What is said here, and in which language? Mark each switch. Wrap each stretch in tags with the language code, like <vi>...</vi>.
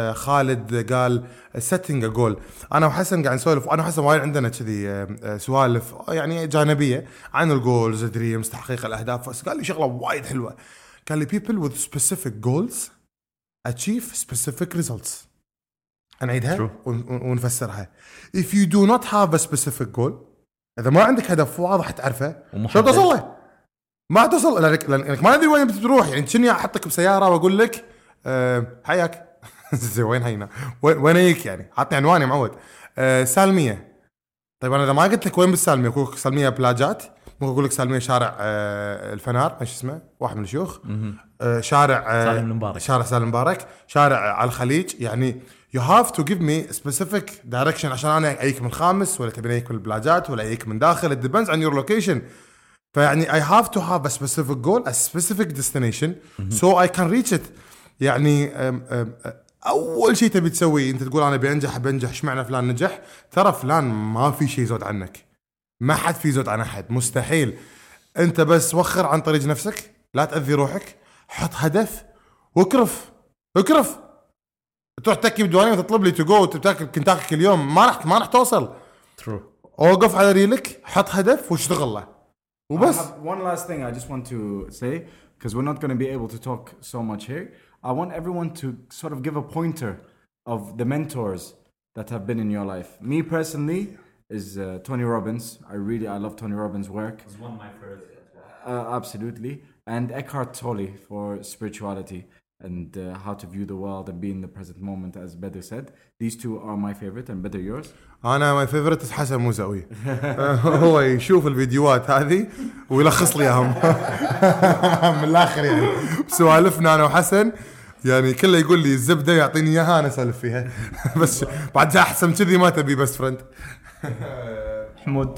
<en>خالد قال setting a goal.</en> <ar>أنا وحسن قاعد نسولف. أنا وحسن وايد عندنا كذي سوالف يعني جانبية عن الجولز دريمز تحقيق الأهداف. قال لي شغلة وايد حلوة. قال لي</ar> <en>people with specific goals achieve specific results.</en> <ar>نعيدها ونفسرها.</ar> <en>If you do not have a specific goal,</en> <ar>إذا ما عندك هدف واضح تعرفه شو توصله؟ ما توصل لأنك ما أدري وين بتروح. يعني شنو أحطك بسيارة وأقول لك حياك وين هينا وين هيك يعني عطني عنواني معود سالمية. طيب أنا إذا ما قلت لك وين بالسالمية أقول لك سالمية بلاجات, ممكن أقول لك سالمية شارع الفنار إيش اسمه واحد من الشيوخ شارع سالم المبارك شارع سالم المبارك شارع على الخليج. يعني</ar> <en>you have to give me specific direction</en> <ar>عشان أنا أيك من الخامس ولا تبين أيك من البلاجات ولا أيك من داخل.</ar> <en>it depends on your location.</en> <ar>فيعني</ar> <en>I have to have a specific goal, a specific destination, so I can reach it.</en> <ar>يعني أول شيء تبي تسوي أنت تقول أنا بنجح بنجح, إيش معنى فلان نجح؟ ترى فلان ما في شيء زود عنك, ما حد في زود عن أحد, مستحيل. أنت بس وخر عن طريق نفسك, لا تأذي روحك, حط هدف وكرف وكرف. تروح تكي بدواني وتطلب لي تجو وتتأكل كنتاكي اليوم ما رح توصل.</ar> <en>True.</en> <ar>وقف على ريلك, حط هدف واشتغل له.</ar> <en>I have one last thing I just want to say, because we're not going to be able to talk so much here. I want everyone to sort of give a pointer of the mentors that have been in your life. Me personally is Tony Robbins. I love Tony Robbins' work. He's one of my first. Absolutely. And Eckhart Tolle for spirituality and how to view the world and be in the present moment, as Bader said. These two are my favorite, and Bader, yours? أنا my favorite is Hassan Mouzaoui.</en> <ar>هو يشوف الفيديوهات هذه ويلخص لي أهم من الآخر يعني. سوالفنا أنا وحسن يعني كله يقول لي الزبدة يعطيني إياها أنا سالف فيها. بس بعد أحسن كذي ما تبي</ar> <en>best friend.</en> <ar>حمود</ar>